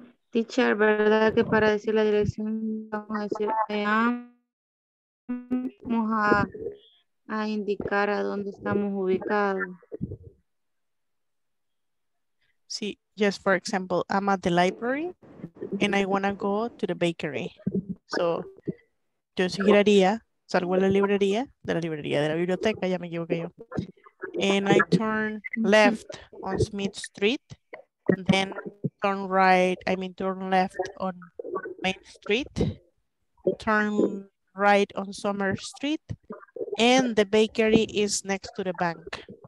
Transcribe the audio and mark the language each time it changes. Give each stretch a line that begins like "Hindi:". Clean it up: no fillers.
Spanish: Teacher, ¿verdad que para decir la dirección vamos a decir vamos a indicar a dónde estamos ubicados? Sí,
English: just for example, I'm at the library and I want to go to the bakery.
Spanish: So, yo giraría, salgo a la librería, de la librería, de la biblioteca, ya me equivoqué yo.
English: And I turn left on Smith Street, then turn right, I mean turn left on Main Street, turn right on Summer Street, and the bakery is next to the bank.